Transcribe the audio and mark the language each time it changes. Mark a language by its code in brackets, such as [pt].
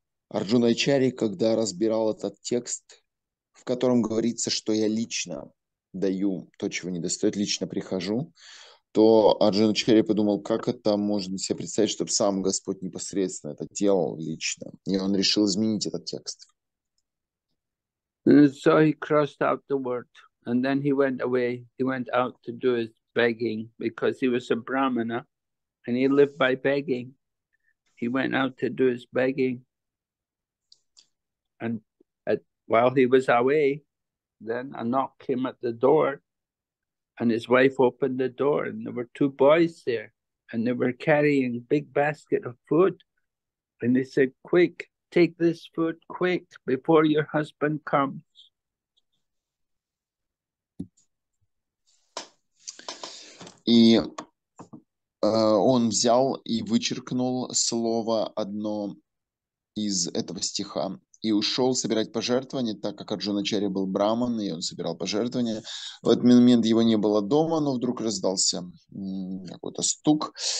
[ru] Арджуначари, когда разбирал этот текст, в котором говорится, что я лично даю то, чего не достает, лично прихожу, то Арджуначари подумал, как это можно себе представить, чтобы сам Господь непосредственно это делал лично. И он решил изменить этот текст. [en] So he crossed out the word and then he went away. He went out to do his begging because he was a Brahmana and he lived by begging. He went out to do his begging. And while he was away, then a knock came at the door and his wife opened the door and there were two boys there and they were carrying a big basket of food. And they said, quick, take this food quick before your husband comes. [ru] И он взял и вычеркнул слово одно из этого стиха и ушел собирать пожертвования, так как Арджуначари был браман, и он собирал пожертвования. В этот момент его не было дома, но вдруг раздался какой-то стук.